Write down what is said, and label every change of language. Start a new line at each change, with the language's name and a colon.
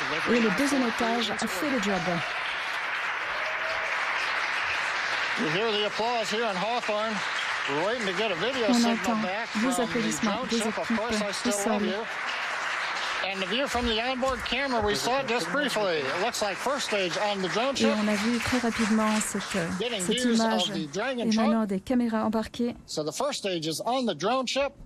French: Oui, le deuxième étage a fait le job.
English: You hear the applause here in Hawthorne. We're waiting to get a video signal back from the drone ship. Of course, I still love you. And the view from the onboard camera, we saw it just briefly. It looks like first stage on the drone ship.
French: Et on a vu très rapidement cette image et maintenant des caméras embarquées.
English: So the first stage is on the drone ship.